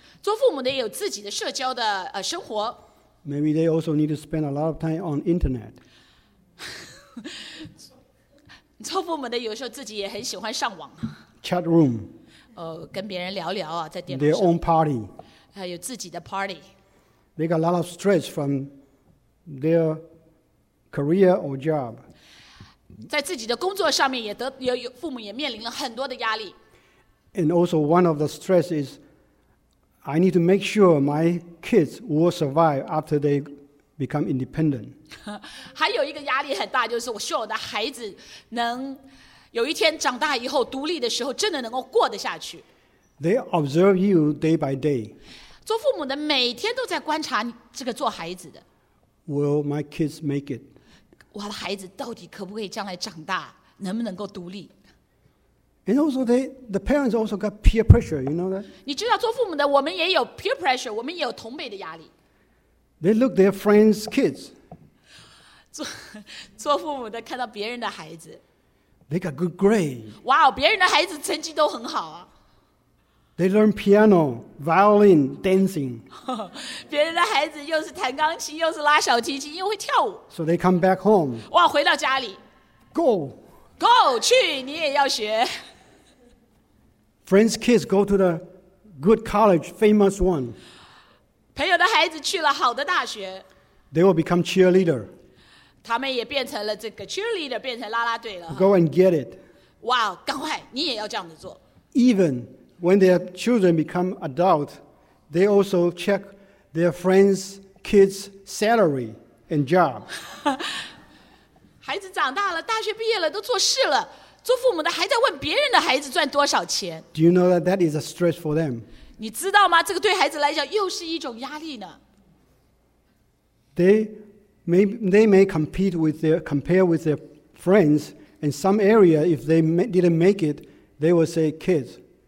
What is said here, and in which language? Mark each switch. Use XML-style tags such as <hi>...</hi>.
<zh>做父母的也有自己的社交的生活。</zh> <en>Maybe they also need to spend a lot of time on internet.</en> <zh>做父母的有时候自己也很喜欢上网。</zh> <en>Chat room.</en> <zh>跟别人聊聊啊，在电脑上。</zh> <en>Their own party.</en> <zh>有自己的 party.</zh> <en>They got a lot of stress from their career or job.</en> <zh>在自己的工作上面也父母也面临了很多的压力。</zh> <en>And also one of the stress is I need to make sure my kids will survive after they become independent.</en> <zh>还有一个压力很大，就是我希望我的孩子能有一天长大以后独立的时候真的能够过得下去。</zh> <en>They observe you day by day.</en> <zh>做父母的每天都在观察这个做孩子的。</zh> <en>Will my kids make it?</en> <zh>我的孩子到底可不可以将来长大，能不能够独立</zh> <en>？And also, the parents also got peer pressure. You know that?</en> <zh>你知道做父母的，我们也有 peer pressure， 我们也有同辈的压力。</zh> <en>They look their friends' kids.</en> <zh>做父母的看到别人的孩子。</zh> <en>They got good grades.</en> <zh>哇哦，别人的孩子成绩都很好啊。</zh> <en>They learn piano, violin, dancing.</en> <zh>别人的孩子又是弹钢琴，又是拉小提琴，又会跳舞。</zh> <en>So they come back home.</en> <zh>哇，回到家里。</zh> <en>Go. Go,</en> <zh>去，你也要学。</zh> <en>Friends' kids go to the good college, famous one.</en> <zh>朋友的孩子去了好的大学。</zh> <en>They will become cheerleader.</en> <zh>他们也变成了这个 cheerleader, 变成啦啦队了。</zh> <en>Go and get it.</en> <zh>哇，赶快，你也要这样子做。</zh> <en>Even... When their children become adults, they also check their friends' kids' salary and job.</en> <zh>孩子长大了，大学毕业了，都做事了，做父母的还在问别人的孩子赚多少钱。</zh> <en>Do you know that that is a stress for them?</en> <zh>你知道吗？这个对孩子来讲又是一种压力呢。</zh> <en>They may compete with their compare with their friends in some area. If they didn't make it, they will say, "Kids.</en>